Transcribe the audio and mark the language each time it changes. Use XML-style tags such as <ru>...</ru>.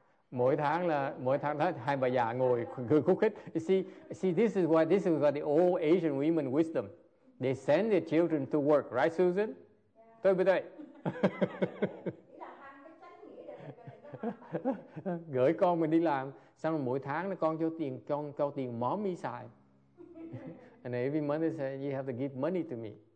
<vi>mỗi tháng đó, hai bà già ngồi cười khúc khích.</vi> <en>See, this is what the old Asian women wisdom. They send their children to work, right, Susan? Yeah.</en> <vi>Đúng không? Gửi con mình đi làm, xong rồi mỗi tháng nó con cho tiền mommy xài.</vi> <en>And every month they say, you have to give money to me.</en>